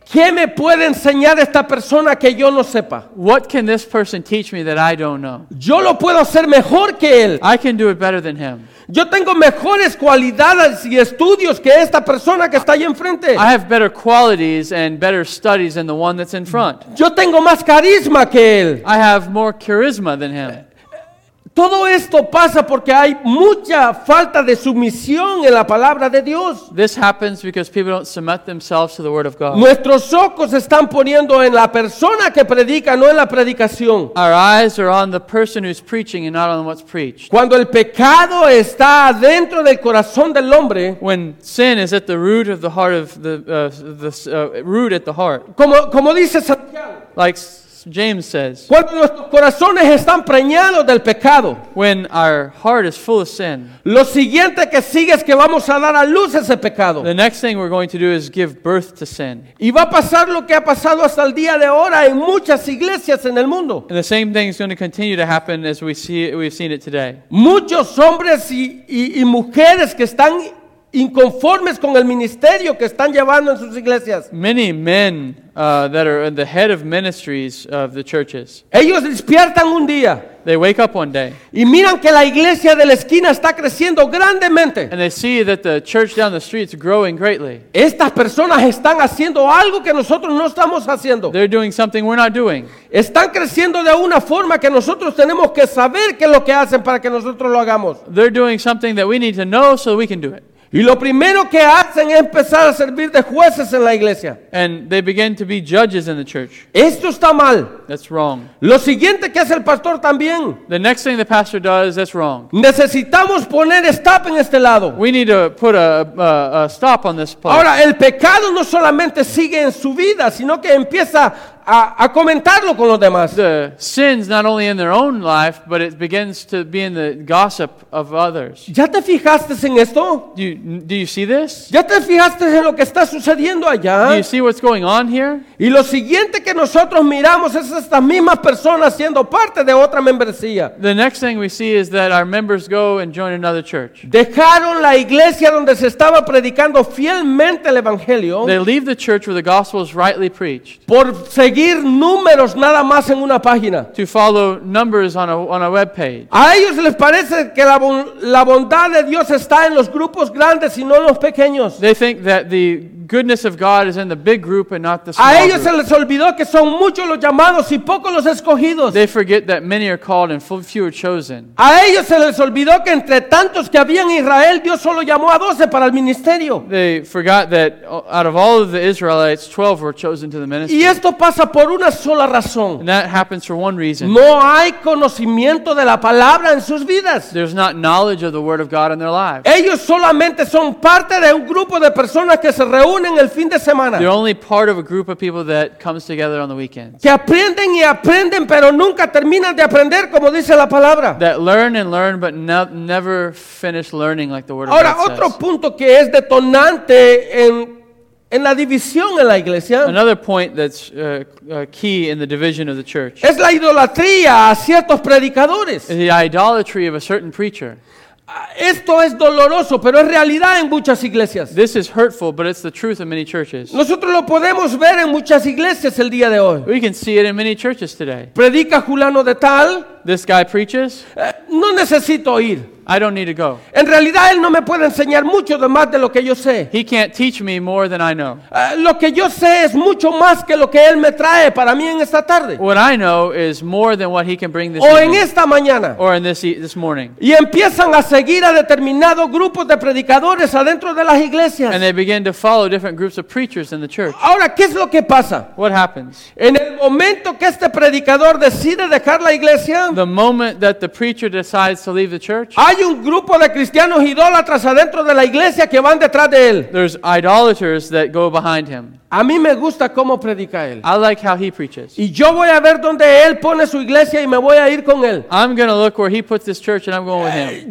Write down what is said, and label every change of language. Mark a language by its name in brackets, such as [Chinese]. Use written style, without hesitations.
[Spanish] ¿Qué me puede enseñar esta persona que yo no sepa? [English] What can this person teach me that I don't know? [Spanish] Yo lo puedo hacer mejor que él. [English] I can do it better than him. [Spanish] Yo tengo mejores cualidades y estudios que esta persona que está ahí enfrente. [English] I have better qualities and better studies than the one that's in front. [Spanish] Yo tengo más carisma que él. [English] I have more charisma than him. [Spanish] Todo esto pasa porque hay mucha falta de sumisión en la palabra de Dios. [English] This happens because people don't submit themselves to the word of God. [Spanish] Nuestros ojos están poniendo en la persona que predica, no en la predicación. [English] Our eyes are on the person who's preaching and not on what's preached. [Spanish] Cuando el pecado está dentro del corazón del hombre, [English] when sin is at the root of the heart of the root at the heart. [Spanish] Como dice Santiago. [English] Like James says, [Spanish] cuando nuestros corazones están preñados del pecado, [English] when our heart is full of sin, [Spanish] lo siguiente que sigue es que vamos a dar a luz ese pecado. [English] The next thing we're going to do is give birth to sin. [Spanish] Y va a pasar lo que ha pasado hasta el día de ahora en muchas iglesias en el mundo. [English] And the same thing is going to continue to happen as we've seen it today. [Spanish] Muchos hombres y mujeres que están inconformes con el ministerio que están llevando en sus iglesias. [English] Many men that are in the head of ministries of the churches. [Spanish] Ellos despiertan un día. [English] They wake up one day. [Spanish] Y miran que la iglesia de la esquina está creciendo grandemente. [English] And they see that the church down the street is growing greatly. [Spanish] Estas personas están haciendo algo que nosotros no estamos haciendo. [English] They're doing something we're not doing. [Spanish] Están creciendo de una forma que nosotros tenemos que saber qué es lo que hacen para que nosotros lo hagamos. [English] They're doing something that we need to know so we can do it. [Spanish] Y lo primero que hacen es empezar a servir de jueces en la iglesia. [English] And they begin to be judges in the church. [Spanish] Esto está mal. [English] That's wrong. [Spanish] Lo siguiente que hace el pastor también. [English] The next thing the pastor does, that's wrong. [Spanish] Necesitamos poner stop en este lado. [English] We need to put a stop on this place. [Spanish] Ahora, el pecado no solamente sigue en su vida, sino que empieza a comentarlo con los demás. [English] The sins not only in their own life, but it begins to be in the gossip of others. [Spanish] ¿Ya te fijaste en esto? [English] Do you see this? [Spanish] ¿Ya te fijaste en lo que está sucediendo allá? [English] Do you see what's going on here? [Spanish] Y lo siguiente que nosotros miramos es estas mismas personas siendo parte de otra membresía. [English] The next thing we see is that our members go and join another church. [Spanish] Dejaron la iglesia donde se estaba predicando fielmente el evangelio. [English] They leave the church where the gospel is rightly preached. [Spanish] Por seguir números nada más en una página. [English] To follow numbers on a web page. [Spanish] A ellos les parece que la bondad de Dios está en los grupos grandes y no en los pequeños. [English] They think that the goodness of God is in the big group and not the small. [Spanish] A ellos se les olvidó que son muchos los llamados y pocos los escogidos. [English] They forget that many are called and few are chosen. [Spanish] A ellos se les olvidó que entre tantos que había en Israel, Dios solo llamó a 12 para el ministerio. [English] They forgot that out of all of the Israelites, 12 were chosen to the ministry. [Spanish] Y esto pasa por una sola razón. [English] And that happens for one reason. [Spanish] No hay conocimiento de la palabra en sus vidas. [English] There's not knowledge of the word of God in their lives. [Spanish] Ellos solamente son parte de un grupo de personas que se reúnen reúnen el fin de semana. [English] They're only part of a group of people that comes together on the weekends. [Spanish] Que aprenden y aprenden, pero nunca terminan de aprender, como dice la palabra. [English] That learn and learn, but never finish learning, like the word [Spanish] Ahora, [English] of God [Spanish] otro [English] says. [Spanish] Punto que es detonante en la división en la iglesia. [English] Another point that's key in the division of the church. [Spanish] Es la idolatría a ciertos predicadores. [English] The idolatry of a certain preacher. [Spanish] Esto es doloroso, pero es realidad en muchas iglesias. [English] This is hurtful, but it's the truth in many churches. [Spanish] Nosotros lo podemos ver en muchas iglesias el día de hoy. [English] We can see it in many churches today. [Spanish] Predica fulano de tal. [English] This guy preaches. [Spanish] No necesito ir. [English] I don't need to go. [Spanish] En realidad él no me puede enseñar mucho de más de lo que yo sé. [English] He can't teach me more than I know. [Spanish] Lo que yo sé es mucho más que lo que él me trae para mí en esta tarde. [English] What I know is more than what he can bring this [Spanish] o [English] evening. [Spanish] O en esta mañana. [English] Or in this morning. [Spanish] Y empiezan a seguir a determinados grupos de predicadores adentro de las iglesias. [English] And they begin to follow different groups of preachers in the church. [Spanish] Ahora, ¿qué es lo que pasa? [English] What happens? [Spanish] En el momento que este predicador decide dejar la iglesia, [English] the moment that the preacher decides to leave the church, [Spanish] hay un grupo de cristianos idólatras adentro de la iglesia que van detrás de él. [English] There's idolaters that go behind him. [Spanish] A mí me gusta cómo predica él. [English] I like how he preaches. [Spanish] Y yo voy a ver dónde él pone su iglesia y me voy a ir con él. [English] I'm going to look where he puts this church and I'm going with him.